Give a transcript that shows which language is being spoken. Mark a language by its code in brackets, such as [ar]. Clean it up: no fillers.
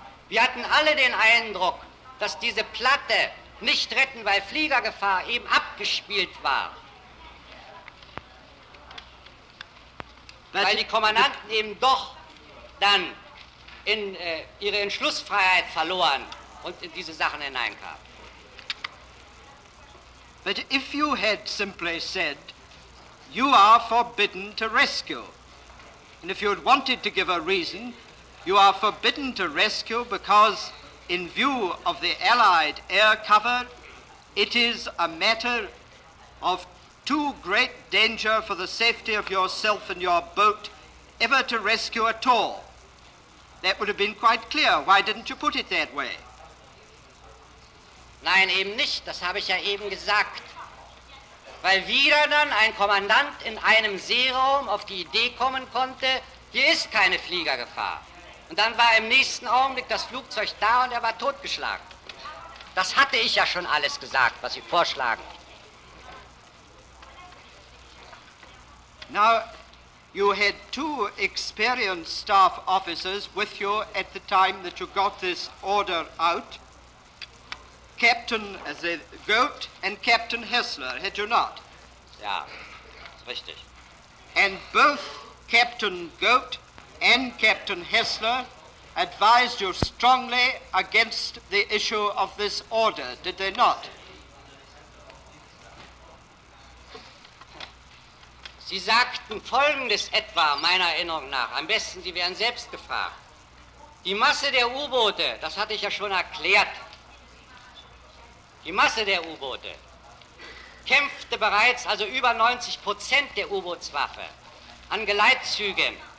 [de] Wir hatten alle den Eindruck, dass diese Platte nicht retten, weil Fliegergefahr eben abgespielt war. Weil die Kommandanten eben doch dann in ihre Entschlussfreiheit verloren und in diese Sachen hineinkamen. [en] But if you had simply said, you are forbidden to rescue, and if you had wanted to give a reason, you are forbidden to rescue because in view of the Allied air cover, it is a matter of too great danger for the safety of yourself and your boat ever to rescue at all. That would have been quite clear. Why didn't you put it that way? [de] Nein, eben nicht. Das habe ich ja eben gesagt. Weil wieder dann ein Kommandant in einem Seeraum auf die Idee kommen konnte, hier ist keine Fliegergefahr. Und dann war im nächsten Augenblick das Flugzeug da und er war totgeschlagen. Das hatte ich ja schon alles gesagt, was Sie vorschlagen. [en] Now, you had two experienced staff officers with you at the time that you got this order out, Captain Goat and Captain Hessler, had you not? [de] Ja, richtig. [en] And both Captain Goat and Captain Hessler advised you strongly against the issue of this order, did they not? [de] Sie sagten Folgendes etwa, meiner Erinnerung nach, am besten, Sie wären selbst gefragt. Die Masse der U-Boote, das hatte ich ja schon erklärt, die Masse der U-Boote kämpfte bereits, also über 90% der U-Bootswaffe, an Geleitzügen.